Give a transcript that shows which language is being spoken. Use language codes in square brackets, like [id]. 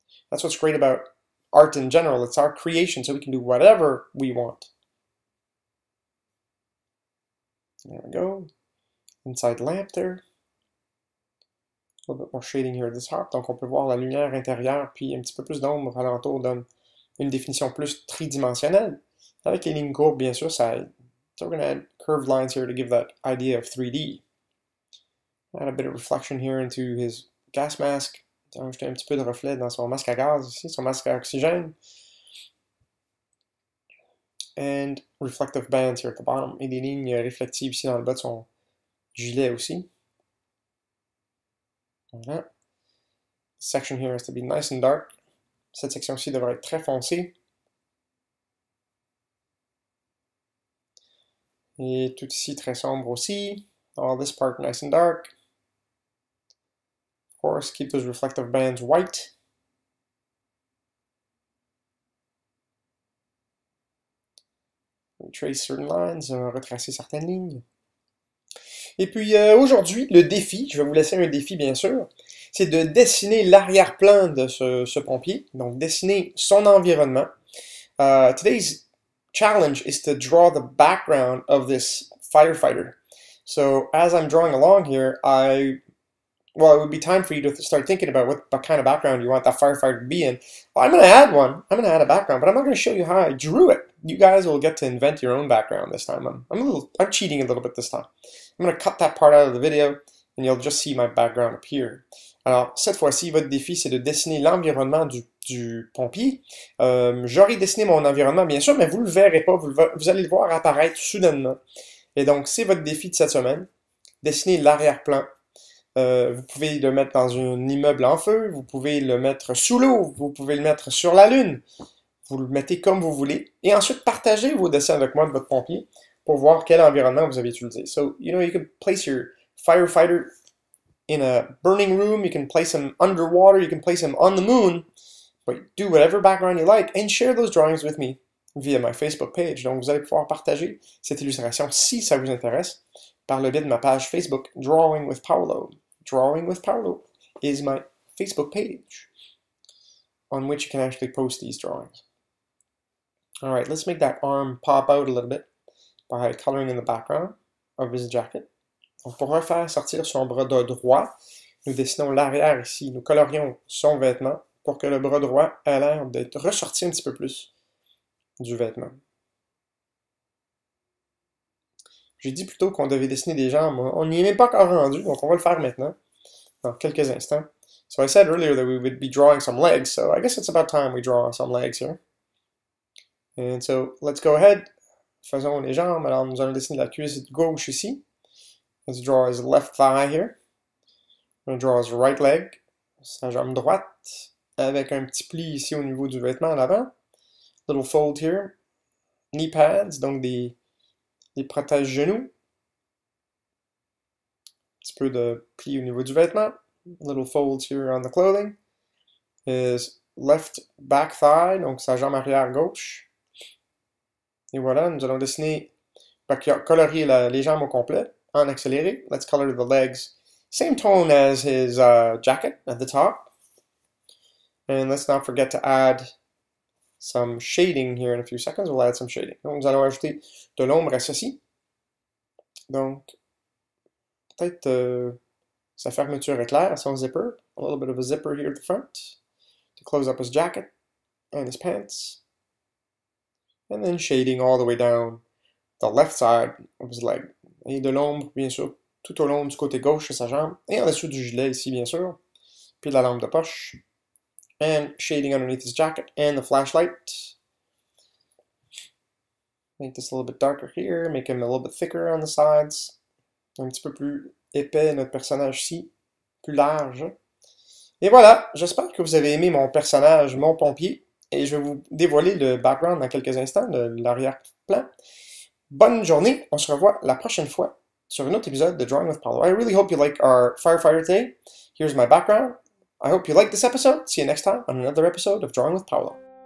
[en] That's what's great about art in general. It's our creation, so we can do whatever we want. There we go. Inside lamp there. A little bit more shading here at the top. [fr] Donc on peut voir la lumière intérieure, puis un petit peu plus d'ombre alentour donne une définition plus tridimensionnelle. Avec les lignes courbes, bien sûr, ça aide. [en] So we're going to add curved lines here to give that idea of 3D. Add a bit of reflection here into his gas mask. [fr] Donc, j'ai un petit peu de reflet dans son masque à gaz ici, son masque à oxygène. [en] And reflective bands here at the bottom. [fr] Et des lignes réflectives ici dans le bas de son gilet aussi. Voilà. [en] Section here has to be nice and dark. [fr] Cette section-ci devrait être très foncée. Et tout ici très sombre aussi. [en] All this part nice and dark. Of course, keep those reflective bands white. Retrace certain lines, [fr] retracer certaines lignes. Et puis aujourd'hui, le défi, je vais vous laisser un défi bien sûr, c'est de dessiner l'arrière-plan de ce pompier, donc dessiner son environnement. [en] Today's challenge is to draw the background of this firefighter. So as I'm drawing along here, it would be time for you to start thinking about what kind of background you want that firefighter to be in. Well, I'm going to add one. I'm going to add a background, but I'm not going to show you how I drew it. You guys will get to invent your own background this time. I'm cheating a little bit this time. I'm going to cut that part out of the video, and you'll just see my background appear. [fr] Alors, cette fois-ci, votre défi, c'est de dessiner l'environnement du pompier. J'aurais dessiné mon environnement, bien sûr, mais vous ne le verrez pas. Vous allez le voir apparaître soudainement. Et donc, c'est votre défi de cette semaine. Dessiner l'arrière-plan. Vous pouvez le mettre dans un immeuble en feu, vous pouvez le mettre sous l'eau, vous pouvez le mettre sur la lune. Vous le mettez comme vous voulez. Et ensuite, partagez vos dessins avec moi de votre pompier pour voir quel environnement vous avez utilisé. [en] So, you know, you can place your firefighter in a burning room, you can place him underwater, you can place him on the moon. But do whatever background you like and share those drawings with me via my Facebook page. [fr] Donc, vous allez pouvoir partager cette illustration si ça vous intéresse. Par le biais de ma page Facebook, Drawing with Paolo. [en] Drawing with Paolo is my Facebook page on which you can actually post these drawings. All right, let's make that arm pop out a little bit by coloring in the background of his jacket. [fr] Donc pour refaire sortir son bras de droit, nous dessinons l'arrière ici. Nous colorions son vêtement pour que le bras droit ait l'air d'être ressorti un petit peu plus du vêtement. J'ai dit plutôt qu'on devait dessiner des jambes. On n'y est même pas encore rendu, donc on va le faire maintenant. Dans quelques instants. [en] So I said earlier that we would be drawing some legs, so I guess it's about time we draw some legs here. And so, let's go ahead. [fr] Faisons les jambes. Alors, nous allons dessiner la cuisse gauche ici. [en] Let's draw his left thigh here. We're going to draw his right leg. [fr] Sa jambe droite. Avec un petit pli ici au niveau du vêtement en avant. [en] Little fold here. [fr] Knee pads, donc des... Il protège genoux. Un petit peu de pli au niveau du vêtement. [en] Little folds here on the clothing. His left back thigh, [fr] donc sa jambe arrière gauche. Et voilà, nous allons dessiner, colorier les jambes au complet, en accéléré. [en] Let's color the legs. Same tone as his jacket at the top. And let's not forget to add some shading here in a few seconds. We'll add some shading. [fr] Donc, nous allons ajouter de l'ombre à ceci. Donc, peut-être sa fermeture éclair, son zipper. [en] A little bit of a zipper here at the front. To close up his jacket and his pants. And then shading all the way down the left side of his leg. [fr] Et de l'ombre, bien sûr, tout au long du côté gauche de sa jambe. Et en dessous du gilet ici, bien sûr. Puis la lampe de poche. [en] And shading underneath his jacket and the flashlight. Make this a little bit darker here. Make him a little bit thicker on the sides. [fr] Un petit peu plus épais, notre personnage ici. Plus large. Et voilà, j'espère que vous avez aimé mon personnage, mon pompier. Et je vais vous dévoiler le background dans quelques instants, l'arrière-plan. Bonne journée, on se revoit la prochaine fois. [en] So for another episode, The Drawing with Paolo. I really hope you like our firefighter today. Here's my background. I hope you like this episode. See you next time on another episode of Drawing with Paolo.